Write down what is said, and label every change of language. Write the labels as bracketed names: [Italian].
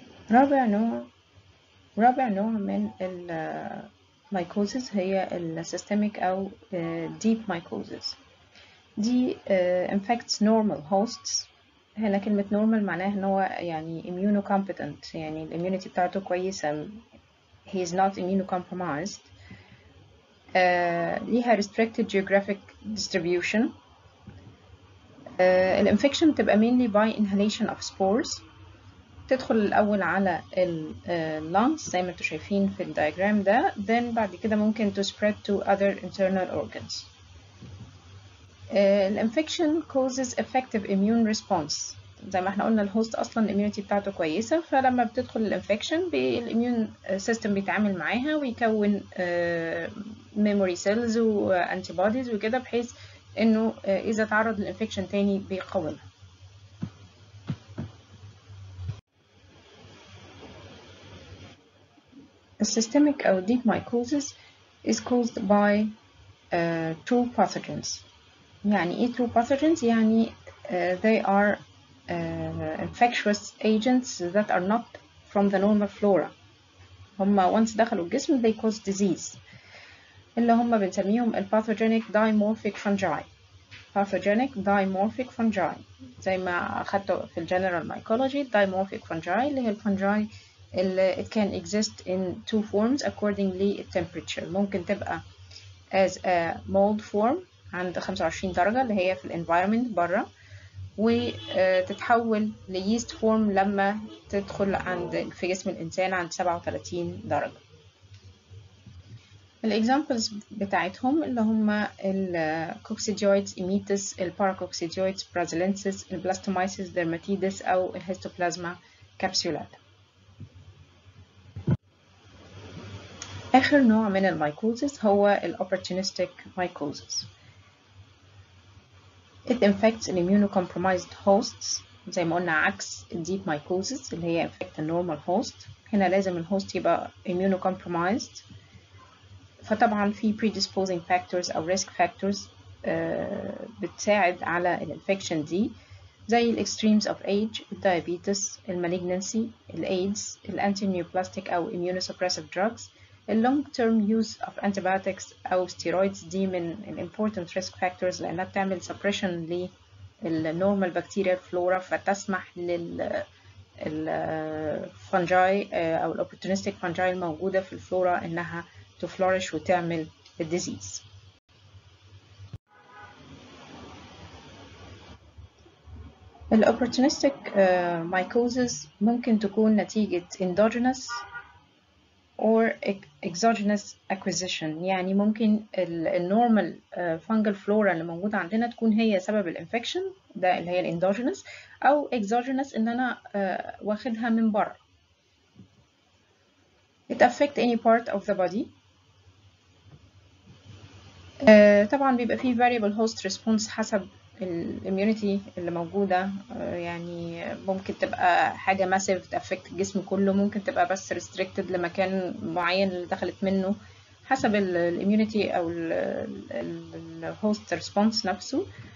[Arabic] رابع نوع من mycosis هي systemic أو deep mycosis. دي [English] infects normal hosts. [Arabic] هنا كلمة normal معناها ان هو يعني immunocompetent، يعني الاميونيتي بتاعته كويسة، [English] he is not immunocompromised. [Arabic] ليها [English] restricted geographic distribution. [Arabic] الانفكشن بتبقى [English] mainly by inhalation of spores. [Arabic] تدخل الأول على lungs زي ما انتوا شايفين في الديجرام ده, then بعد كده ممكن [English] to spread to other internal organs. الانفكشن causes effective immune response. [Arabic] زي ما احنا قلنا الهوست اصلا الاميونيتي بتاعته كويسة, فلما بتدخل الانفكشن الاميون سيستم بيتعامل معاها ويكون memory cells و antibodies وكده, بحيث انه اذا تعرض للانفكشن تاني بيقاومها. [English] Systemic or deep mycosis is caused by two pathogens. [Arabic] يعني ايه [English] two pathogens؟ [Arabic] يعني [English] they are infectious agents that are not from the normal flora. [Arabic] هما [English] once [Arabic] دخلوا الجسم [English] they cause disease. [Arabic] اللي هما بنسميهم pathogenic dimorphic fungi. [English] Pathogenic dimorphic fungi. [Arabic] زي ما خدته في [English] general mycology, dimorphic fungi [Arabic] اللي هي الفنجي [English] it can exist in two forms accordingly at temperature. [Arabic] ممكن تبقى [English] as a mold form [Arabic] عند 25 درجة اللي هي في الانفيرمنت برا, وتتحول ليست فورم لما تدخل عند في جسم الإنسان عند 37 درجة. الاكزامبلز بتاعتهم اللي هم الكوكسيديويدز إيميتس, الباراكوكسيديويدز برازيلنسيس, البلاستومايسيس ديرماتيدس أو الهيستوبلازما كابسولات. آخر نوع من الميكوزيس هو الأوبرتونيستيك مايكوزيس. [English] It infects an immunocompromised hosts, [Arabic] زي ما قلنا عكس [English] deep mycosis [Arabic] اللي هي [English] infect the normal host. [Arabic] هنا لازم الهوست يبقى immunocompromised. فطبعا في [English] predisposing factors أو risk factors [Arabic] بتساعد على الانفكشن دي, [English] زي ال extremes of age, diabetes, malignancy, AIDS, anti-neoplastic أو immunosuppressive drugs. Long-term use of antibiotics أو steroids [Arabic] دي من [English] important risk factors [Arabic] لأنها تعمل [English] suppression للnormal bacterial flora [Arabic] فتسمح [English] للfungi أو opportunistic fungi [Arabic] الموجودة في الفلورا إنها [English] to flourish [Arabic] وتعمل [English] disease. Opportunistic mycoses [Arabic] ممكن تكون نتيجة [English] endogenous or exogenous acquisition. [Arabic] يعني ممكن النورمال fungal flora اللي موجودة عندنا تكون هي سبب الانفكشن ده اللي هي الاندوجينس, او [English] exogenous [Arabic] ان انا واخدها من بره. [English] It affect any part of the body. [Arabic] طبعا بيبقى فيه [English] variable host response [Arabic] حسب الاميونيتي اللي موجودة, يعني ممكن تبقى حاجة massive تأفكت الجسم كله, ممكن تبقى بس restricted لمكان معين اللي دخلت منه حسب الاميونيتي أو الهوست response نفسه.